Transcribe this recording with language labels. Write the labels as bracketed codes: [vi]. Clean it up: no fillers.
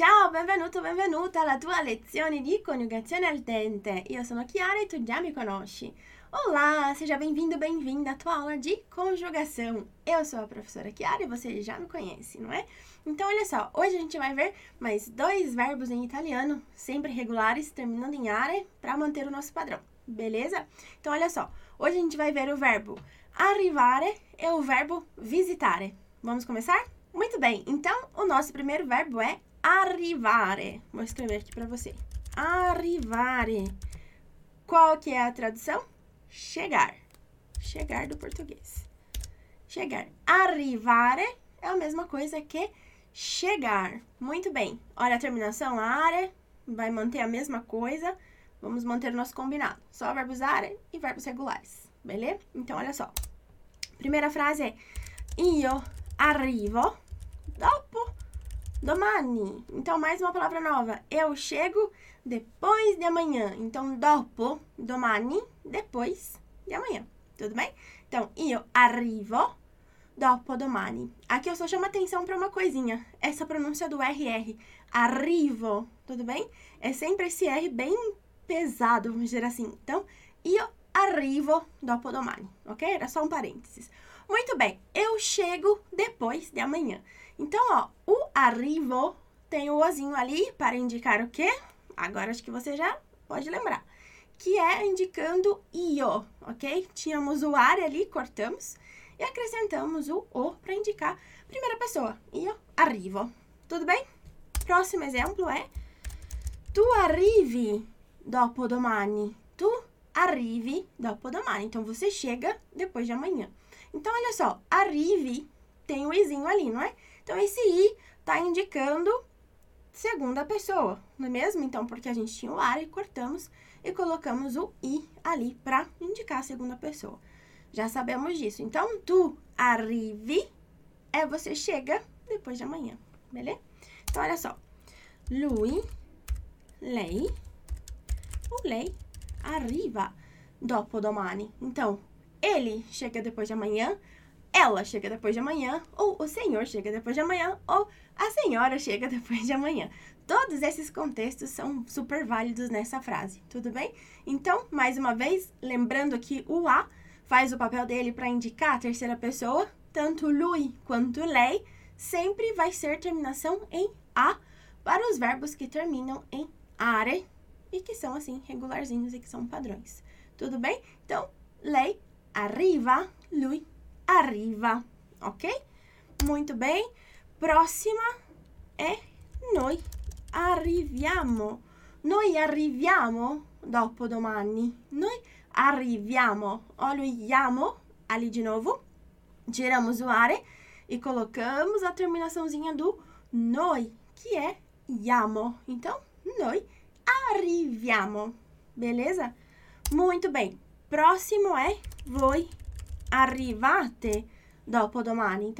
[it] Benvenuto, benvenuta alla tua lezione di coniugazione al dente. Io sono Chiara e tu già mi conosci. [pt] Olá, seja bem-vindo, bem-vinda à tua aula de conjugação. Eu sou a professora Chiara e você já me conhece, não é? Então, olha só, hoje a gente vai ver mais dois verbos em italiano, sempre regulares, terminando em are, para manter o nosso padrão, beleza? Então, olha só, hoje a gente vai ver o verbo arrivare e o verbo visitare. Vamos começar? Muito bem, então o nosso primeiro verbo é arrivare. Vou escrever aqui para você. Arrivare. Qual que é a tradução? Chegar. Chegar do português. Chegar. Arrivare é a mesma coisa que chegar. Muito bem. Olha a terminação, are. Vai manter a mesma coisa. Vamos manter o nosso combinado. Só verbos are e verbos regulares. Beleza? Então, olha só. Primeira frase é: [it] io arrivo dopo domani. [pt] Então, mais uma palavra nova. Eu chego depois de amanhã. Então, dopo, domani, depois de amanhã. Tudo bem? [it] Então, io arrivo dopo domani. [pt] Aqui eu só chamo atenção para uma coisinha. Essa pronúncia do RR. Arrivo. Tudo bem? É sempre esse R bem pesado, vamos dizer assim. [it] Então, io arrivo dopo domani. [pt] Ok? Era só um parênteses. Muito bem. Eu chego depois de amanhã. Então, ó, o arrivo tem o ozinho ali para indicar o quê? Agora acho que você já pode lembrar. Que é indicando io, ok? Tínhamos o are ali, cortamos. E acrescentamos o para indicar primeira pessoa. [it] Io arrivo. [pt] Tudo bem? Próximo exemplo é: [it] tu arrivi dopo domani. Tu arrivi dopo domani. [pt] Então, você chega depois de amanhã. Então, olha só: arrivi tem o izinho ali, não é? Então, esse i está indicando segunda pessoa, não é mesmo? Então, porque a gente tinha o are e cortamos e colocamos o i ali para indicar a segunda pessoa. Já sabemos disso. Então, tu arrivi é você chega depois de amanhã, beleza? Então, olha só. [it] Lui, lei, ou lei arriva dopo domani. [pt] Então, ele chega depois de amanhã. Ela chega depois de amanhã, ou o senhor chega depois de amanhã, ou a senhora chega depois de amanhã. Todos esses contextos são super válidos nessa frase, tudo bem? Então, mais uma vez, lembrando que o a faz o papel dele para indicar a terceira pessoa, tanto lui quanto lei, sempre vai ser terminação em a para os verbos que terminam em are e que são assim regularzinhos e que são padrões, tudo bem? [it] Então, lei arriva, lui arriva, ok? [pt] Muito bem. Próxima é [it] noi arriviamo. Noi arriviamo dopo domani. Noi arriviamo. [pt] Olha o iamo ali de novo. Tiramos o are e colocamos a terminaçãozinha do noi, que é iamo. Então, noi arriviamo. Beleza? Muito bem. Próximo é [it] voi arrivate dopo domani.